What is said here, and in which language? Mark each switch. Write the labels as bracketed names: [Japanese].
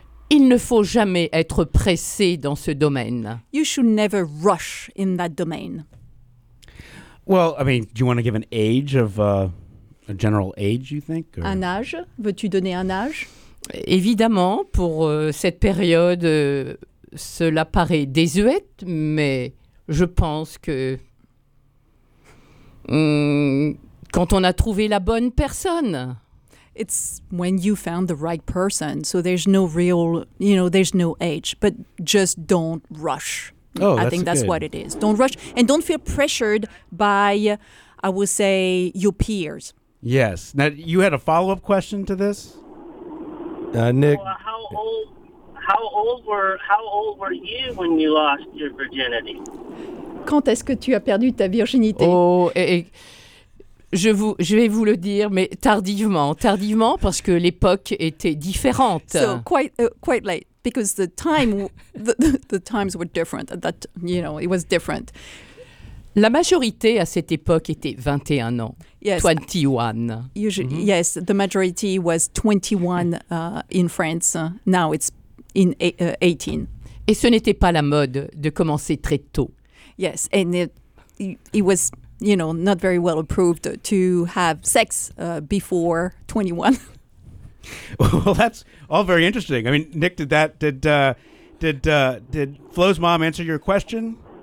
[French] Il ne faut jamais être pressé dans ce domaine. [English] You should never rush in that domain. Well, I mean, do you want to give an age of a general age, you think? [French] Or? Un âge? Veux-tu donner un âge? Évidemment, pour cette période, cela paraît désuet, mais je pense que quand on a trouvé la bonne personne. [English] It's when you found the right person, so there's no real, you know, there's no age, but just don't rush. Oh, I think that's good. What it is. Don't rush and don't feel pressured by, I will say, your peers. Yes. Now, you had a follow-up question to this? Nick. Oh, how old were you when you lost your virginity? [French] Quand est-ce que tu as perdu ta virginité? Oh, je vais vous le dire, mais tardivement, parce que l'époque était différente. [English] So, quite late. Because the times were different. That, you know, it was different. [French] La majorité à cette époque était 21 ans. [English] Yes. 21. Yes, the majority was 21 in France. Now it's in 18. [French] Et ce n'était pas la mode de commencer très tôt. [English] Yes, and it was, you know, not very well approved to have sex before 21. Well, that's all very interesting. I mean, Nick, did Flo's mom answer your question?